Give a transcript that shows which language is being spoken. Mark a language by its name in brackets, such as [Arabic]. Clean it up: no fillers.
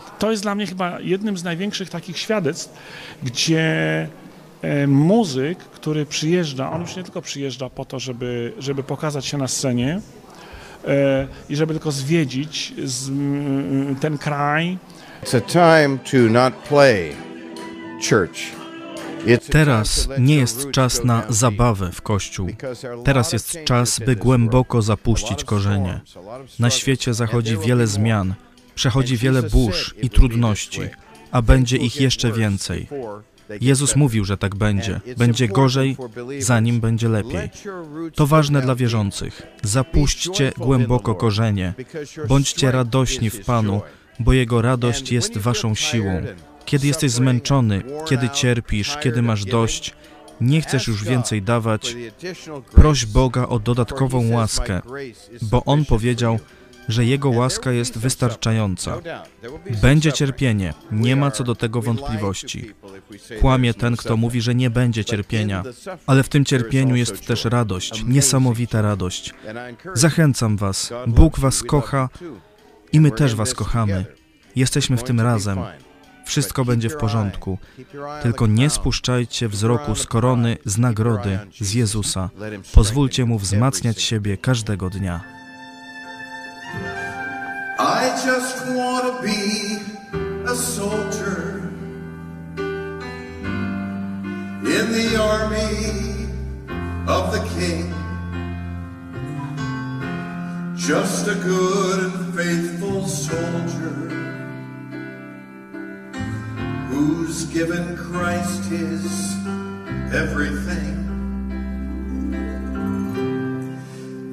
[Polish] To jest dla mnie chyba jednym z największych takich świadectw, gdzie muzyk, który przyjeżdża, on już nie tylko przyjeżdża po to, żeby pokazać się na scenie i żeby tylko zwiedzić ten kraj. [English] It's a time to not play church. [Polish] Teraz nie jest czas na zabawę w Kościół. Teraz jest czas, by głęboko zapuścić korzenie. Na świecie zachodzi wiele zmian, przechodzi wiele burz i trudności, a będzie ich jeszcze więcej. Jezus mówił, że tak będzie. Będzie gorzej, zanim będzie lepiej. To ważne dla wierzących. Zapuśćcie głęboko korzenie. Bądźcie radośni w Panu, bo Jego radość jest waszą siłą. Kiedy jesteś zmęczony, kiedy cierpisz, kiedy masz dość, nie chcesz już więcej dawać, proś Boga o dodatkową łaskę, bo On powiedział, że Jego łaska jest wystarczająca. Będzie cierpienie, nie ma co do tego wątpliwości. Kłamie ten, kto mówi, że nie będzie cierpienia, ale w tym cierpieniu jest też radość, niesamowita radość. Zachęcam was, Bóg was kocha i my też was kochamy. Jesteśmy w tym razem. Wszystko będzie w porządku. Tylko nie spuszczajcie wzroku z korony, z nagrody, z Jezusa. Pozwólcie Mu wzmacniać siebie każdego dnia. [English] I just want to be a soldier in the army of the king. Just a good and faithful soldier who's given Christ his everything.